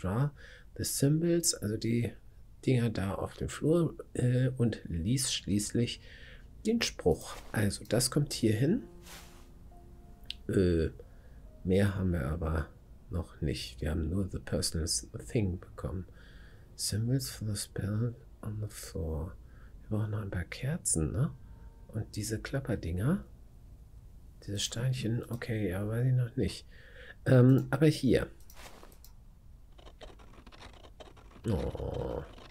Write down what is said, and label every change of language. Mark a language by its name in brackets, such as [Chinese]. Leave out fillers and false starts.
[English] Draw the symbols, [German] also die Dinger da auf dem Flur und lies schließlich den Spruch. Also das kommt hier hin. Mehr haben wir aber noch nicht. Wir haben nur [English] the personal thing [German] bekommen. [English] Symbols for the spell on the floor. [German] Wir brauchen noch ein paar Kerzen, ne? Und diese Klapperdinger. Diese Steinchen. Okay, ja, weiß ich noch nicht. Aber hier. Oh.